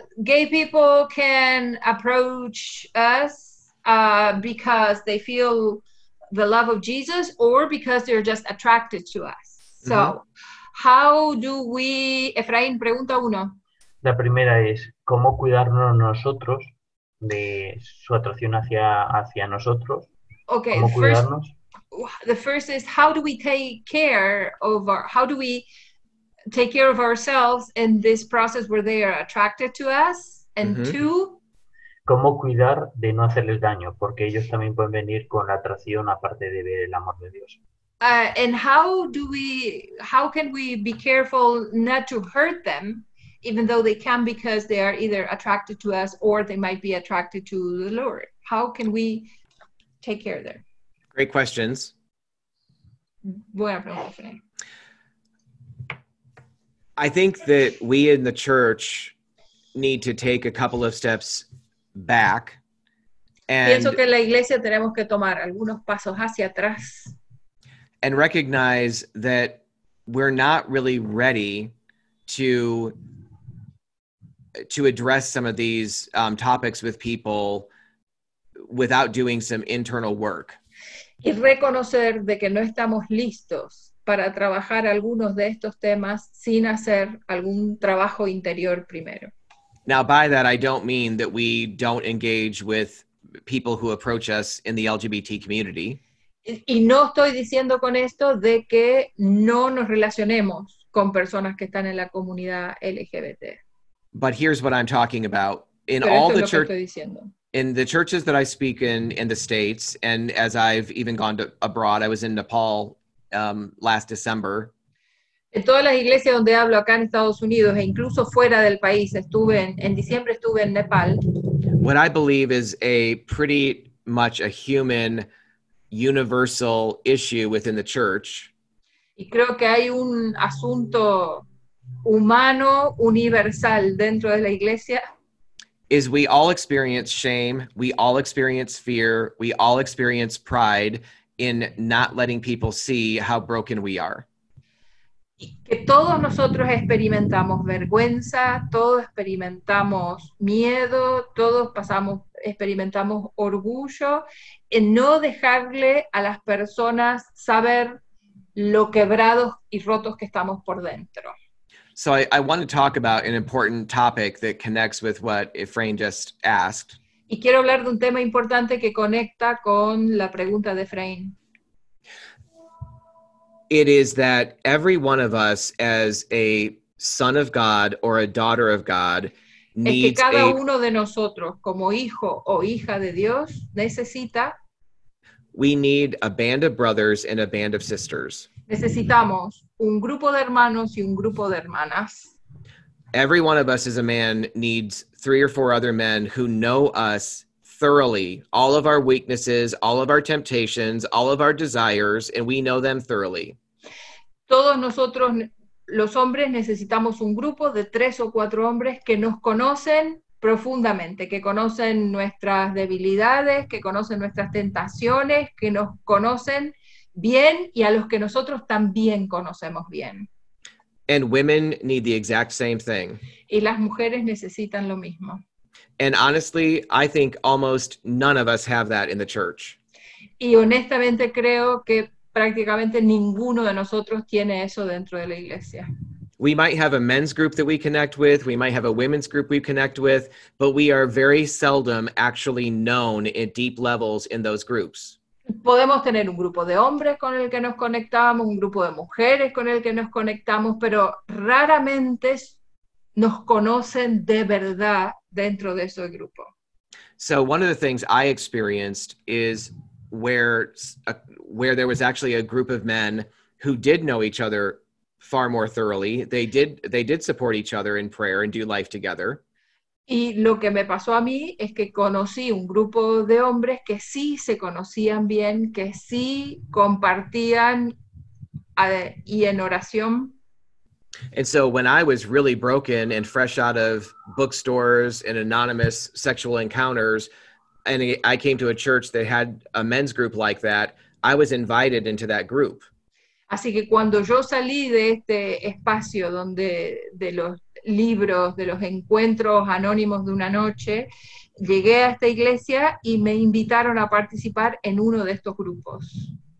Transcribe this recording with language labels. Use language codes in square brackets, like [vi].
[en] Gay people can approach us because they feel the love of Jesus or because they're just attracted to us. So, mm-hmm. How do we... Efraín, [es] pregunta uno. La primera es, ¿cómo cuidarnos nosotros de su atracción hacia nosotros? [en] Okay, [es] ¿cómo cuidarnos? [en] The first is, how do we take care of ourselves in this process where they are attracted to us? And mm-hmm. Two, ¿cómo cuidar de no hacerles daño? [es] Porque ellos también pueden venir con la atracción aparte de ver el amor de Dios. [en] And how can we be careful not to hurt them? Even though they can, because they are either attracted to us or they might be attracted to the Lord. How can we take care of them? Great questions. [es] Buena pregunta. [en] I think that we in the church need to take a couple of steps back. And [es] pienso que en la iglesia tenemos que tomar algunos pasos hacia atrás. [en] And recognize that we're not really ready to address some of these topics with people without doing some internal work. [es] Y reconocer de que no estamos listos para trabajar algunos de estos temas sin hacer algún trabajo interior primero. [en] Now, by that, I don't mean that we don't engage with people who approach us in the LGBT community. [es] Y no estoy diciendo con esto de que no nos relacionemos con personas que están en la comunidad LGBT. [en] But here's what I'm talking about. In all the churches, in the churches that I speak in the States, and as I've even gone to abroad, I was in Nepal last December. [es] En todas las iglesias donde hablo acá en Estados Unidos, e incluso fuera del país, estuve en diciembre en Nepal. [en] What I believe is a pretty much a human, universal issue within the church. [es] Y creo que hay un asunto humano universal dentro de la iglesia. [en] Is we all experience shame, we all experience fear, we all experience pride in not letting people see how broken we are. [es] Y que todos nosotros experimentamos vergüenza, todos experimentamos miedo, todos experimentamos orgullo en no dejarle a las personas saber lo quebrados y rotos que estamos por dentro. [en] So I want to talk about an important topic that connects with what Efrain just asked. [es] Y quiero hablar de un tema importante que conecta con la pregunta de Efrain. [en] It is that every one of us as a son of God or a daughter of God needs [es] es que cada uno de nosotros como hijo o hija de Dios necesita. [en] We need a band of brothers and a band of sisters. [es] Necesitamos un grupo de hermanos y un grupo de hermanas. [en] Every one of us as a man needs three or four other men who know us thoroughly, all of our weaknesses, all of our temptations, all of our desires, and we know them thoroughly. [es] Todos nosotros, los hombres, necesitamos un grupo de tres o cuatro hombres que nos conocen profundamente, que conocen nuestras debilidades, que conocen nuestras tentaciones, que nos conocen bien y a los que nosotros también conocemos bien. [en] And women need the exact same thing. [es] Y las mujeres necesitan lo mismo. [en] And honestly, I think almost none of us have that in the church. [es] Y honestamente creo que prácticamente ninguno de nosotros tiene eso dentro de la iglesia. [en] We might have a men's group that we connect with, we might have a women's group we connect with, but we are very seldom actually known at deep levels in those groups. [es] Podemos tener un grupo de hombres con el que nos conectamos, un grupo de mujeres con el que nos conectamos, pero raramente nos conocen de verdad dentro de ese grupo. [en] So one of the things I experienced is where there was actually a group of men who did know each other far more thoroughly. They did support each other in prayer and do life together. [es] Y lo que me pasó a mí es que conocí un grupo de hombres que sí se conocían bien, que sí compartían y en oración. [en] And so when I was really broken and fresh out of bookstores and anonymous sexual encounters, and I came to a church that had a men's group like that, I was invited into that group. [es] Así que cuando yo salí de este espacio donde de los libros, de los encuentros anónimos de una noche, llegué a esta iglesia y me invitaron a participar en uno de estos grupos.